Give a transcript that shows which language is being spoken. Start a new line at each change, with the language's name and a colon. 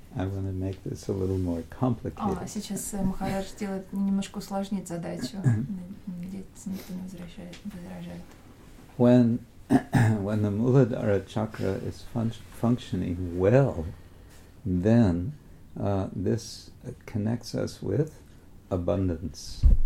English: I want to make this a little more complicated.
Russian: Сейчас Махарадж делает немножко усложнить задачу. Надеюсь, никто не возражает.
English: When the Muladhara chakra is functioning well, then this connects us with abundance.